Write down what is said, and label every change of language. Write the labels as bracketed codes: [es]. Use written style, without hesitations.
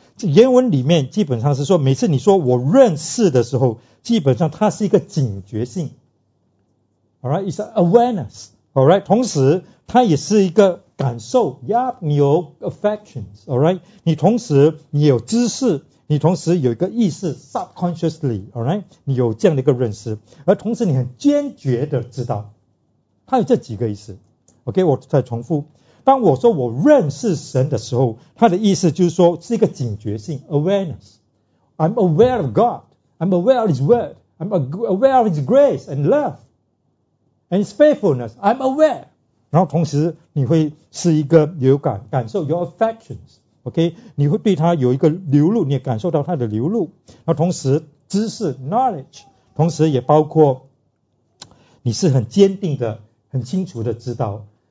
[zh] 原文里面基本上是说，每次你说我认识的时候，基本上它是一个警觉性， all right， [en] it's awareness， [zh] all right， 同时它也是一个感受， yeah， 你有 affections， all right， 你同时你有知识，你同时有一个意识 subconsciously， all right， 你有这样的一个认识，而同时你很坚决的知道，它有这几个意思， OK， 我再重复。当我说我认识神的时候，他的意思就是说是一个警觉性 awareness。 [en] I'm aware of God. I'm aware of His word. I'm aware of His grace and love and His faithfulness. I'm aware. [zh] 然后同时你会是一个流感感受 [en] your affections. [zh] OK， 你会对他有一个流露，你也感受到他的流露。然后同时知识 knowledge， 同时也包括你是很坚定的、很清楚的知道。